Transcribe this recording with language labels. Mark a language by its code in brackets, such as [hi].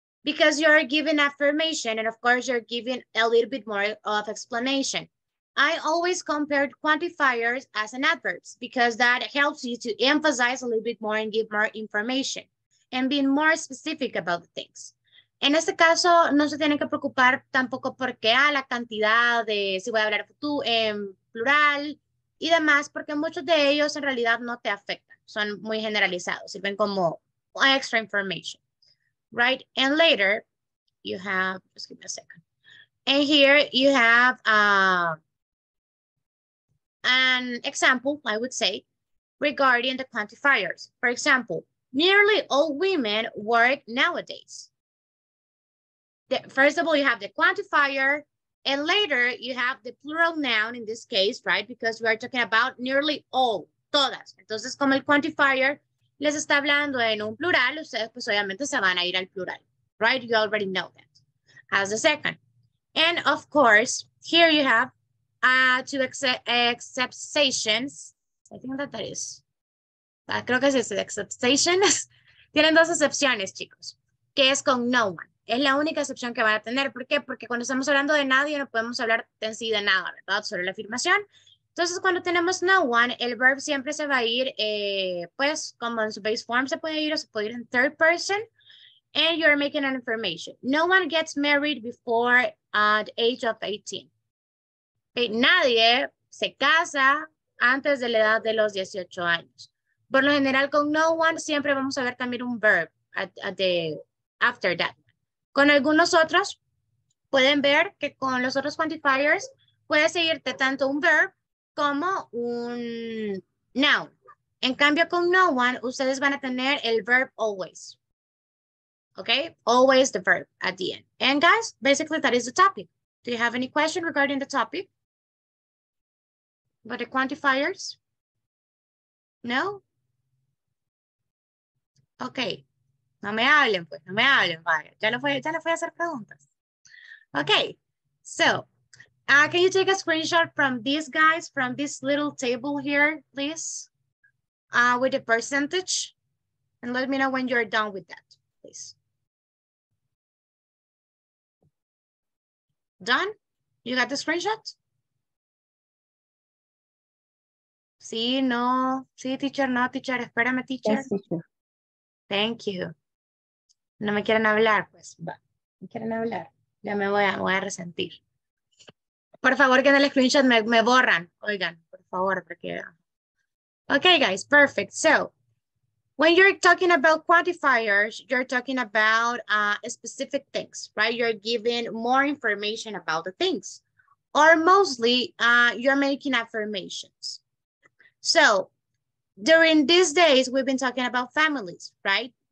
[en] Because you're giving affirmation, and of course you're giving a little bit more of explanation. I always compare quantifiers as an adverb because that helps you to emphasize a little bit more and give more information and being more specific about the things. [es] En este caso, no se tienen que preocupar tampoco porque la cantidad de si voy a hablar en plural y demás, porque muchos de ellos en realidad no te afectan. Son muy generalizados, sirven como [en] extra information. Right, and later you have, just give me a second, and here you have an example, I would say, regarding the quantifiers. For example, nearly all women work nowadays. First of all, you have the quantifier, and later you have the plural noun in this case, right, because we are talking about nearly all, [es] todas. Entonces, como el quantifier les está hablando en un plural, ustedes pues obviamente se van a ir al plural, right? [en] You already know that. As a second. And of course, here you have two exceptions. I think that is. [es] Creo que es exceptions. Tienen dos excepciones, chicos. Que es con no one. Es la única excepción que van a tener. ¿Por qué? Porque cuando estamos hablando de nadie, no podemos hablar en sí de nada, ¿verdad? Sobre la afirmación. Entonces, cuando tenemos no one, el verb siempre se va a ir, pues, como en su base form se puede ir, o se puede ir en third person, [en] and you're making an affirmation. No one gets married before the age of 18. Okay? [es] Nadie se casa antes de la edad de los 18 años. Por lo general, con no one, siempre vamos a ver también un verb after that. Con algunos otros, pueden ver que con los otros quantifiers, puede seguirte tanto un verb, como un noun. En cambio, con no one, ustedes van a tener el verb [en] always. Okay, always the verb at the end. And guys, basically that is the topic. Do you have any question regarding the topic? About the quantifiers? No? [es] Okay. No me hablen, pues. No me hablen, vaya. Ya lo voy a hacer preguntas. Okay. [en] So, can you take a screenshot from these guys, from this little table here, please? With the percentage. And let me know when you're done with that, please. Done? You got the screenshot? [es] Sí, no. Sí, teacher, no, teacher. Espérame, teacher. [en] Yes, teacher. Thank you. [es] No me quieren hablar, pues. No quieren hablar. Ya me voy a resentir. Por favor, que en el screenshot me borran. Oigan, por favor, porque... [en] Okay, guys, perfect. So, when you're talking about quantifiers, you're talking about specific things, right? You're giving more information about the things. Or mostly, you're making affirmations. So, during these days, we've been talking about families, right?